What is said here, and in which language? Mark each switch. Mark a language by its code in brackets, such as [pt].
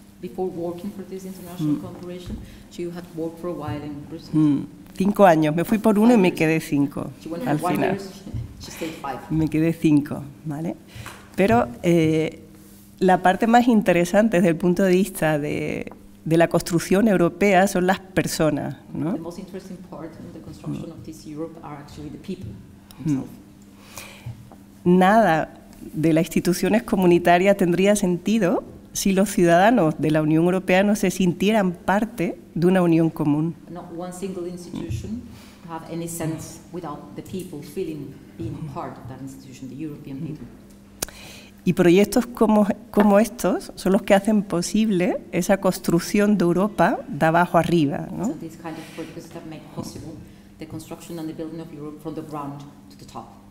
[en] Before working for this international cooperation, she had worked for a while in Brussels. [es] 5 años, me fui por uno y me quedé 5. [en] She went [es] al [en] one [es] final. [en] Years, she stayed 5. [es] Me quedé 5, ¿vale? Pero la parte más interesante desde el punto de vista de la construcción europea son las personas, ¿no? [en] The most interesting part in the construction of this Europe are actually the people themselves. [es] Nada de las instituciones comunitarias tendría sentido si los ciudadanos de la Unión Europea no se sintieran parte de una unión común. [en] No one single institution have any sense without the people feeling being part of that institution, the European people. [es] Y proyectos como estos son los que hacen posible esa construcción de Europa de abajo arriba, ¿no? [en] So these kind of projects that make possible the construction and the building of Europe from the ground to the top.